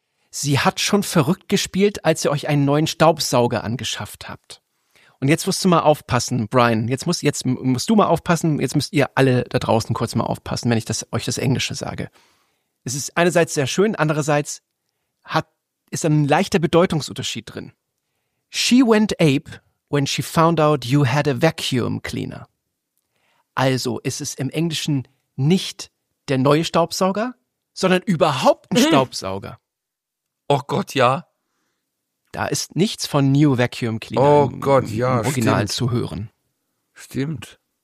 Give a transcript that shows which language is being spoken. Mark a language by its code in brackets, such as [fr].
[de] Sie hat schon verrückt gespielt, als ihr euch einen neuen Staubsauger angeschafft habt. Und jetzt musst du mal aufpassen, Brian. Jetzt musst du mal aufpassen. Jetzt müsst ihr alle da draußen kurz mal aufpassen, wenn ich euch das Englische sage. Es ist einerseits sehr schön, andererseits ist ein leichter Bedeutungsunterschied drin. [en] She went ape when she found out you had a vacuum cleaner. [de] Also ist es im Englischen nicht der neue Staubsauger, sondern überhaupt ein Staubsauger. Oh Gott, ja. Da ist nichts von [en] New Vacuum Cleaner [de] im Original zu hören. Stimmt.